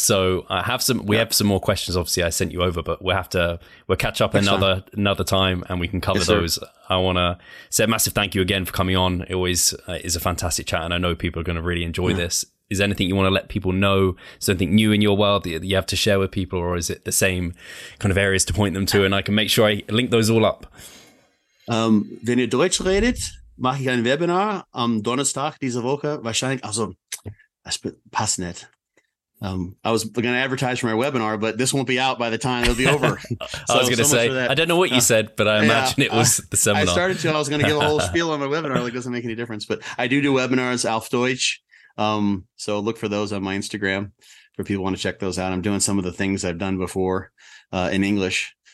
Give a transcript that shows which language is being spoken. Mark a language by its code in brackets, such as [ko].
[en] So I have some, we have some more questions, obviously I sent you over, but we'll catch up another time and we can cover those. Sir. I want to say a massive thank you again for coming on. It always is a fantastic chat and I know people are going to really enjoy this. Is there anything you want to let people know, something new in your world that you have to share with people, or is it the same kind of areas to point them to? And I can make sure I link those all up. [de] Wenn ihr Deutsch redet, mache ich ein Webinar am Donnerstag diese Woche. Wahrscheinlich, also, das passt nicht. [en] I was going to advertise for my webinar, but this won't be out by the time it'll be over. I was going to say, I don't know what you said, but I imagine it was the seminar. I was going to give a whole spiel on my webinar, like, it doesn't make any difference. But I do webinars, [de] Auf Deutsch. [en] So look for those on my Instagram for people want to check those out. I'm doing some of the things I've done before in English.